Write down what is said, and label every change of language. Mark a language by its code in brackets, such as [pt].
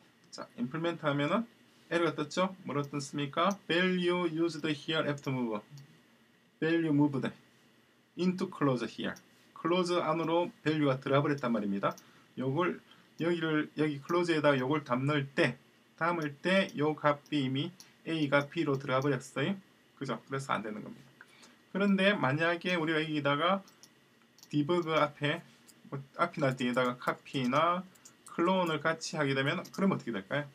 [ko] 자, 임플멘트 하면은 에러가 떴죠? [en] 뭐라 떴습니까? value used here after move. value moved into close here. [ko] close 안으로 value가 들어가 버렸단 말입니다. 요걸 여기 close에다 요걸 담을 때 요 값이 이미 a가 b로 들어가 버렸어요. 그죠? 그래서 안 되는 겁니다. 그런데 만약에 우리가 여기다가 debug 앞에 뭐 앞이나 뒤에다가 copy나 클론을 같이 하게 되면 그럼 어떻게 될까요?